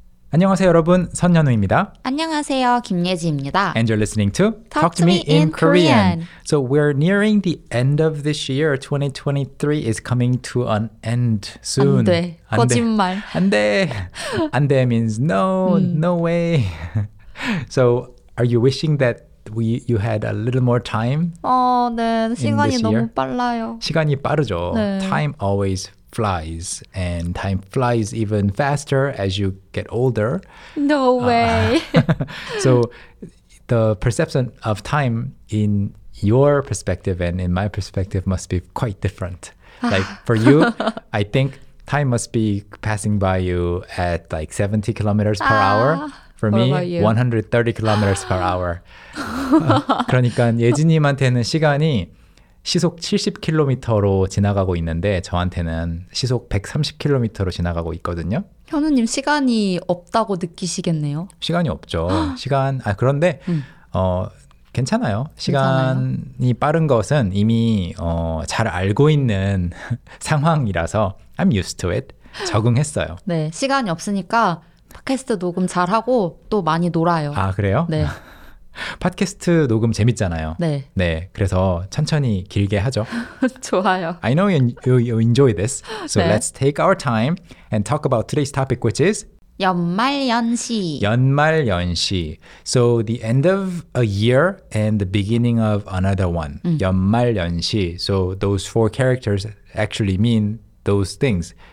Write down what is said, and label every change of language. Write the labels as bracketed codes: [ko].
[ko] 안녕하세요 여러분, 선현우입니다. 안녕하세요, 김예지입니다. [en] And you're listening to Talk to me in Korean. So we're nearing the end of this year. 2023 is coming to an end soon. [ko] 안 돼, 안 거짓말. [en] 안 돼, 안 돼 means no, no way. So are you wishing that you had a little more time? [ko] 네, 시간이 너무 빨라요. 시간이 빠르죠. 네. [en] Time always flies, and time flies even faster as you get older. No way. So the perception of time in your perspective and in my perspective must be quite different. Like for you, I think time must be passing by you at like 70 kilometers per hour. For me, 130 kilometers per hour. [ko] 그러니까 예지님한테는 시간이 시속 70km로 지나가고 있는데 저한테는 시속 130km로 지나가고 있거든요. 현우님 시간이 없다고 느끼시겠네요. 시간이 없죠. 시간 아 그런데 괜찮아요. 시간이 괜찮아요? 빠른 것은 이미 잘 알고 있는 상황이라서 [en] I'm used to it. [ko] 적응했어요. 네, 시간이 없으니까 팟캐스트 녹음 잘하고 또 많이 놀아요. 아 그래요? 네. 팟캐스트 녹음 재밌잖아요. 네. 네. 그래서 천천히 길게 하죠. 좋아요. [en] I know you enjoy this. So 네. let's take our time and talk about today's topic, which is [ko] 연말연시. 연말연시. [en] So the end of a year and the beginning of another one. [ko] 연말연시. [en] So those four characters actually mean those things.